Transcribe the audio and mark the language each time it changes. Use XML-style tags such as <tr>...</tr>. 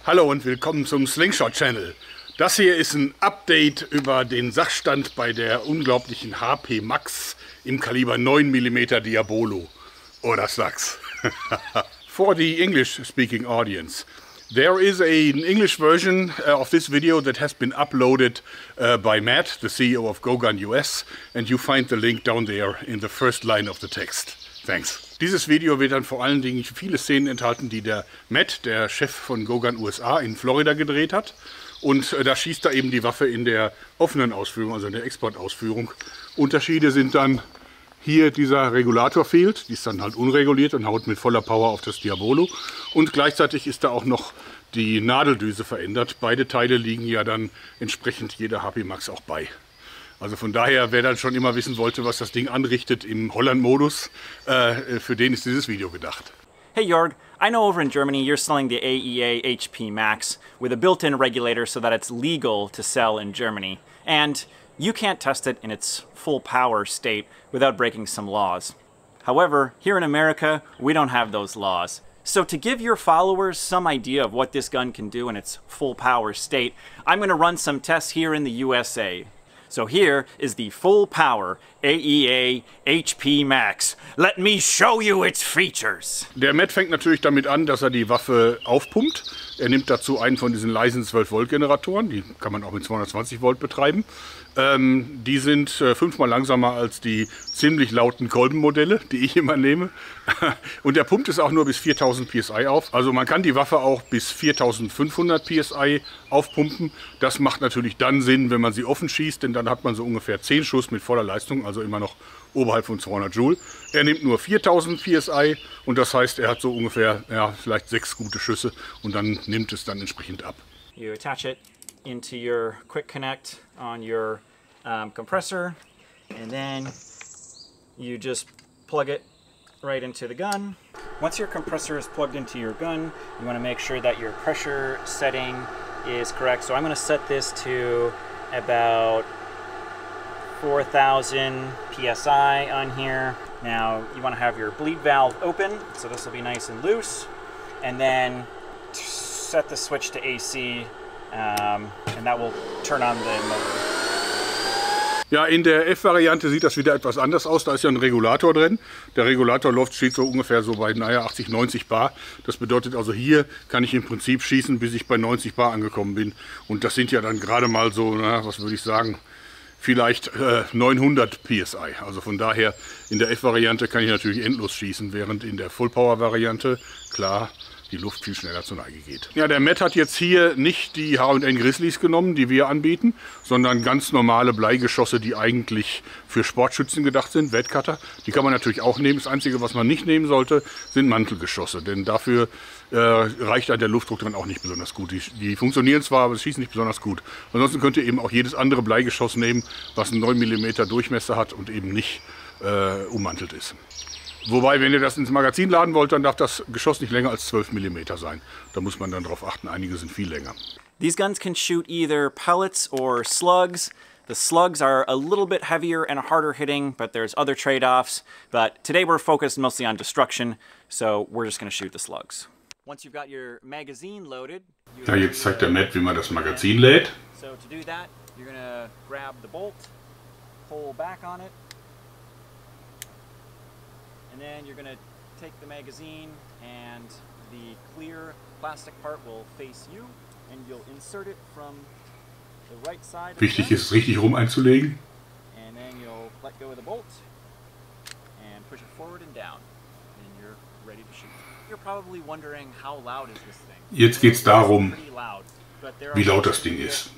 <de>Hallo und willkommen zum Slingshot-Channel. Das hier ist ein Update über den Sachstand bei der unglaublichen HP Max im Kaliber 9mm Diabolo. Oder Sachs.</de> <en>For the English-speaking audience, there is an English version of this video that has been uploaded by Matt, the CEO of GoGun US, and you find the link down there in the first line of the text. Thanks.</en> <de>Dieses Video wird dann vor allen Dingen viele Szenen enthalten, die der Matt, der Chef von GoGun USA, in Florida gedreht hat. Und da schießt er eben die Waffe in der offenen Ausführung, also in der Exportausführung. Unterschiede sind dann hier dieser Regulator fehlt, die ist dann halt unreguliert und haut mit voller Power auf das Diabolo. Und gleichzeitig ist da auch noch die Nadeldüse verändert. Beide Teile liegen ja dann entsprechend jeder HP Max auch bei. Also von daher, wer dann schon immer wissen wollte, was das Ding anrichtet im Holland-Modus, für den ist dieses Video gedacht.</de> <en>Hey Jörg, I know over in Germany you're selling the AEA HP Max with a built-in regulator so that it's legal to sell in Germany. And you can't test it in its full power state without breaking some laws. However, here in America, we don't have those laws. So to give your followers some idea of what this gun can do in its full power state, I'm going to run some tests here in the USA. So here is the full power AEA HP Max. Let me show you its features.</en> <de>Der Matt fängt natürlich damit an, dass er die Waffe aufpumpt. Er nimmt dazu einen von diesen leisen 12 Volt Generatoren. Die kann man auch mit 220 Volt betreiben. Die sind fünfmal langsamer als die ziemlich lauten Kolbenmodelle, die ich immer nehme. Und der pumpt es auch nur bis 4000 PSI auf. Also man kann die Waffe auch bis 4500 PSI aufpumpen. Das macht natürlich dann Sinn, wenn man sie offen schießt, denn dann hat man so ungefähr 10 Schuss mit voller Leistung, also immer noch oberhalb von 200 Joule. Er nimmt nur 4000 PSI und das heißt, er hat so ungefähr, ja, vielleicht 6 gute Schüsse und dann nimmt es dann entsprechend ab.</de> <en>You attach it into your quick connect on your compressor and then you just plug it right into the gun. Once your compressor is plugged into your gun, you want to make sure that your pressure setting is correct. So I'm going to set this to about 4000 PSI on here. Now you want to have your bleed valve open, so this will be nice and loose, and then set the switch to AC. And that will turn on the motor.</en> <de>Ja, in der F-Variante sieht das wieder etwas anders aus. Da ist ja ein Regulator drin. Der Regulator läuft, steht so ungefähr so bei, naja, 80, 90 Bar. Das bedeutet also, hier kann ich im Prinzip schießen, bis ich bei 90 Bar angekommen bin. Und das sind ja dann gerade mal so, na, was würde ich sagen, vielleicht 900 PSI. Also von daher, in der F-Variante kann ich natürlich endlos schießen, während in der Full-Power-Variante, klar, die Luft viel schneller zur Neige geht. Ja, der Matt hat jetzt hier nicht die H&N Grizzlies genommen, die wir anbieten, sondern ganz normale Bleigeschosse, die eigentlich für Sportschützen gedacht sind, Wetcutter. Die kann man natürlich auch nehmen. Das Einzige, was man nicht nehmen sollte, sind Mantelgeschosse, denn dafür reicht der Luftdruck dann auch nicht besonders gut. Die funktionieren zwar, aber sie schießen nicht besonders gut. Ansonsten könnt ihr eben auch jedes andere Bleigeschoss nehmen, was einen 9mm Durchmesser hat und eben nicht ummantelt ist. Wobei, wenn ihr das ins Magazin laden wollt, dann darf das Geschoss nicht länger als 12 mm sein. Da muss man dann drauf achten. Einige sind viel länger.</de> <en>These guns can shoot either pellets or slugs. The slugs are a little bit heavier and harder hitting, but there's other trade-offs. But today we're focused mostly on destruction, so we're just going to shoot the slugs. Once you've got your magazine loaded,</en> <de>ja, jetzt zeigt der Matt, wie man das Magazin lädt.</de> <en>So to do that, you're going to grab the bolt, pull back on it. And then you're gonna take the magazine and the clear plastic part will face you and you'll insert it from the right side.</en> <de>Wichtig ist, richtig rum einzulegen.</de> <en>And then you'll let go of the bolt and push it forward and down. And you're ready to shoot. You're probably wondering how loud is this thing.</en> <de>Jetzt geht's darum, wie laut das Ding ist.</de>